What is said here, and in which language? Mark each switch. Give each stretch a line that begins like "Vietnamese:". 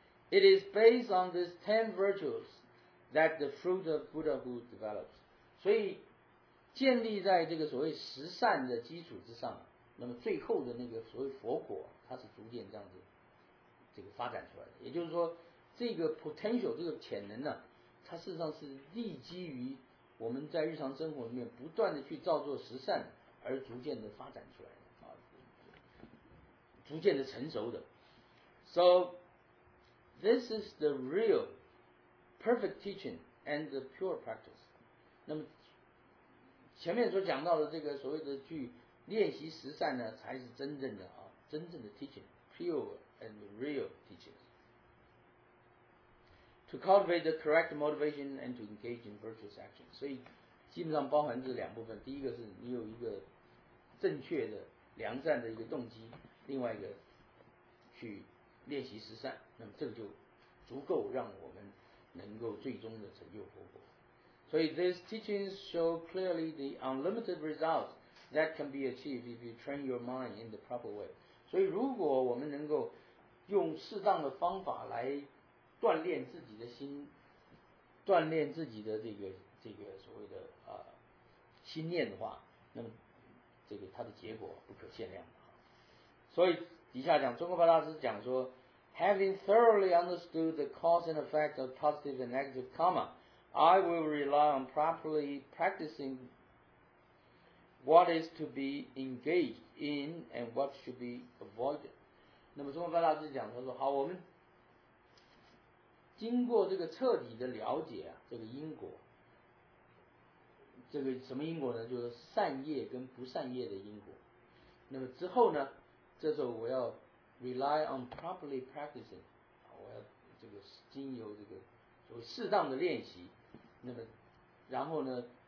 English: It is based on these 10 virtues that the fruit of Buddhahood develops.
Chinese: 所以建立在这个所谓十善的基础之上，那么最后的那个所谓佛果，它是逐渐这样子这个发展出来的。也就是说，这个 potential 这个潜能呢、啊，它事实上是立基于我们在日常生活里面不断的去造作十善而逐渐的发展出来的啊，逐渐的成熟的。
English: So this is the real perfect teaching and the pure practice.
Chinese: 那么前面所讲到的这个所谓的去练习实善呢，才是真正的啊，真正的 teaching, pure and real teaching.
English: To cultivate the correct motivation and to engage in virtuous action.
Chinese: 所以基本上包含这两部分，第一个是你有一个正确的良善的一个动机，另外一个去练习实善，那么这个就足够让我们能够最终的成就佛果。
English: So these teachings show clearly the unlimited results that can be achieved if you train your mind in the proper way.
Chinese: 所以如果我们能够用适当的方法来锻炼自己的心，锻炼自己的这个所谓的心念的话，那么这个它的结果不可限量。
English: 所以底下讲，中国巴大师讲说， Having thoroughly understood the cause and effect of positive and negative karma,I will rely on properly practicing what is to be engaged in and what should be avoided.
Chinese: 那么中国巴大师讲，他说好，我们经过这个彻底的了解啊，这个因果，这个什么因果呢？就是善业跟不善业的因果。那么之后呢，这时候我要 rely on properly practicing，我要这个经由这个所谓适当的练习，那么然后呢，